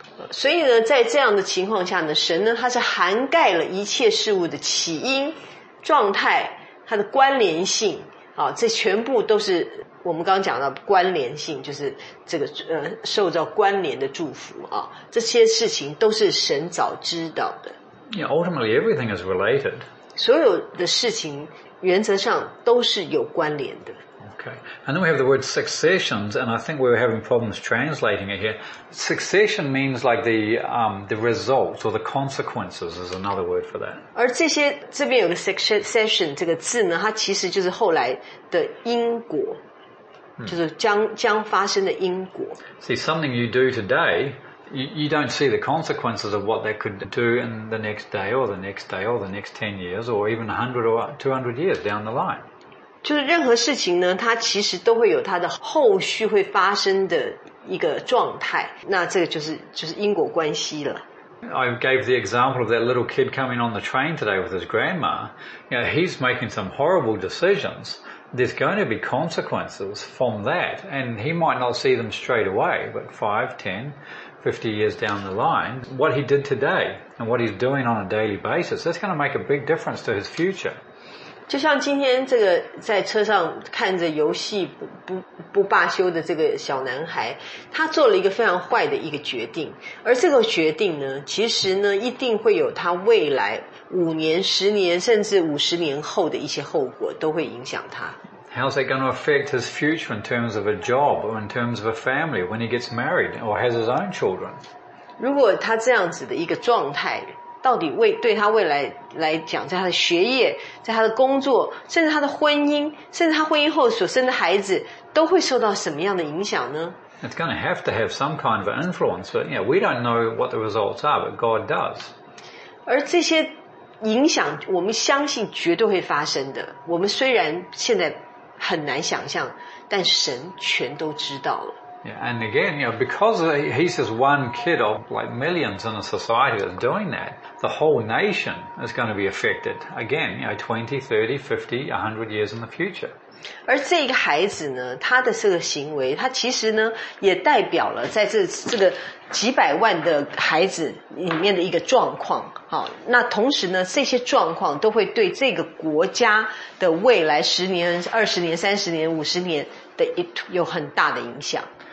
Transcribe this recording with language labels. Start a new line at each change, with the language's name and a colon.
Chinese: 所以呢，在这样的情况下呢，神呢，他是涵盖了一切事物的起因、状态、它的关联性啊，这全部都是我们刚刚讲的关联性，就是这个受到关联的祝福啊，这些事情都是神早知道的。
English: Yeah, ultimately, everything is related.
Chinese: 所有的事情原则上都是有关联的。
English: Okay. And then we have the word successions, and I think we're having problems translating it here. Succession means like the results or the consequences is another word for that.
Chinese: 而这些这边有个 succession 这个字呢，它其实就是后来的因果，就是将发生的因果。
English: See, something you do today, you don't see the consequences of what that could do in the next day or the next day or the next 10 years or even 100 or 200 years down the line.
Chinese: 就是任何事情呢，它其实都会有它的后续会发生的一个状态。那这个就是因果关系了。
English: I gave the example of that little kid coming on the train today with his grandma. You know, he's making some horrible decisions. There's going to be consequences from that, and he might not see them straight away, but 5, 10, 50 years down the line, what he did today and what he's doing on a daily basis, that's going to make a big difference to his future.
Chinese: 就像今天这个在车上看着游戏不罢休的这个小男孩，他做了一个非常坏的一个决定，而这个决定呢，其实呢一定会有他未来5年、10年甚至50年后的一些后果都会影响他。
English: How's that going to affect his future in terms of a job or in terms of a family when he gets married or has his own children?
Chinese: 如果他这样子的一个状态。到底对他未来来讲，在他的学业，在他的工作，甚至他的婚姻，甚至他婚姻后所生的孩子，都会受到什么样的影响呢？
English: It's going to have some kind of influence, but you know, we don't know what the results are, but God does.
Chinese: 而这些影响，我们相信绝对会发生的。我们虽然现在很难想象，但神全都知道了。
English: Yeah, and again, you know, because he's just one kid of like millions in a society that's doing that, the whole nation is going to be affected. Again, you know, 20, 30, 50, 100 years in the future.
Chinese: 而这个孩子呢，他的这个行为，他其实呢，也代表了在这个几百万的孩子里面的一个状况。好，那同时呢，这些状况都会对这个国家的未来10年、20年、30年、50年的有很大的影响。